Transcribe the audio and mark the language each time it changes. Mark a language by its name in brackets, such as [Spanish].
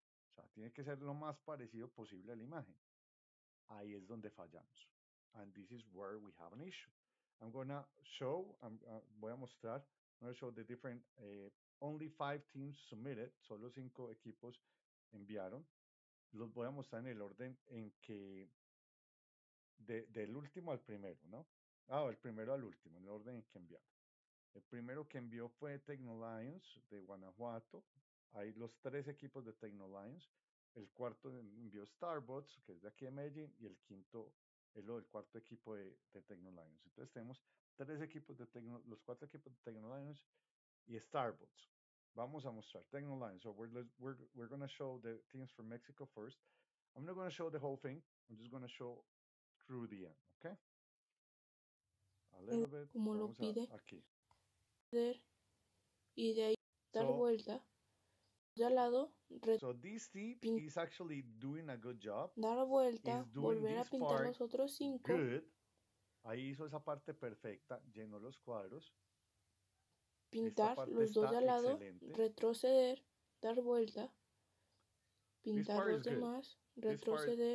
[Spanish] O sea, tiene que ser lo más parecido posible a la imagen. Ahí es donde fallamos. [English] And this is where we have an issue. I'm gonna show, [Spanish] voy a mostrar, [English] I'm gonna show the different, only five teams submitted, [Spanish] solo cinco equipos enviaron. Los voy a mostrar en el orden en que, del último al primero, ¿no? Ah, el primero al último, en el orden en que enviaron. El primero que envió fue Tecnolions de Guanajuato. Hay los tres equipos de Tecnolions. El cuarto envió Starbots, que es de aquí de Medellín. Y el quinto, el cuarto equipo de Tecnolions. Entonces tenemos tres equipos de Tecnolions, los cuatro equipos de Tecnolions y Starbots. Vamos a mostrar Tecnolions. [English] So we're going to show the teams from Mexico first. I'm not going to show the whole thing. I'm just going to show through the end, okay? A little bit. [Spanish] Como lo pide. Aquí. Y de ahí dar vuelta. De al lado, [English] so this team is actually doing a good job. [Spanish] Dar vuelta, volver a pintar los otros cinco. [English] Good. [Spanish] Ahí hizo esa parte perfecta, llenó los cuadros. Pintar los dos de al lado, excelente. Retroceder, dar vuelta. Pintar los demás, good. Retroceder.